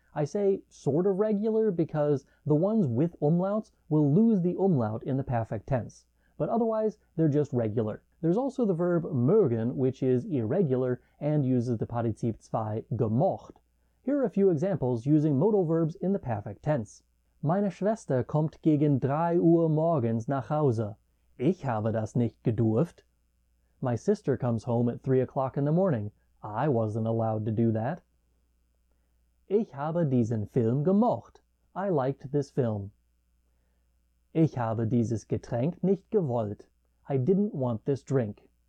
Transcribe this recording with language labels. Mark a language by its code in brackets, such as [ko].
[en] I say sort of regular because the ones with umlauts will lose the umlaut in the perfect tense. But otherwise, they're just regular. There's also the verb mögen, which is irregular and uses the Partizip 2 gemocht. Here are a few examples using modal verbs in the perfect tense. [de] Meine Schwester kommt gegen 3 Uhr morgens nach Hause. Ich habe das nicht gedurft. [en] My sister comes home at 3 o'clock in the morning. I wasn't allowed to do that. [de] Ich habe diesen Film gemocht. [en] I liked this film. [de] Ich habe dieses Getränk nicht gewollt. [en] I didn't want this drink.